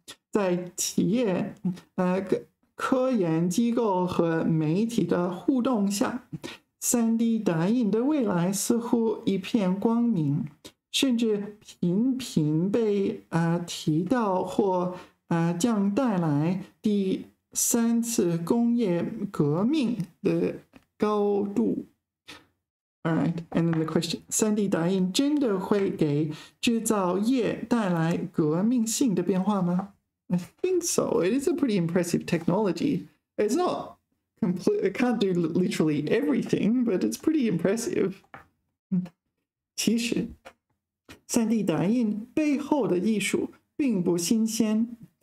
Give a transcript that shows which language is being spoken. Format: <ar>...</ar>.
<zh>在企业、科研机构和媒体的互动下 ,3D 打印的未来似乎一片光明甚至频频被提到或将带来第三次工业革命的高度。</zh> <en>All right, and then the question.</en> <zh>3D 打印真的会给制造业带来革命性的变化吗?</zh> <en>I think so. It is a pretty impressive technology. It's not complete, it can't do literally everything, but it's pretty impressive.</en> <zh>其实 ,3D 打印背后的艺术并不新鲜。</zh>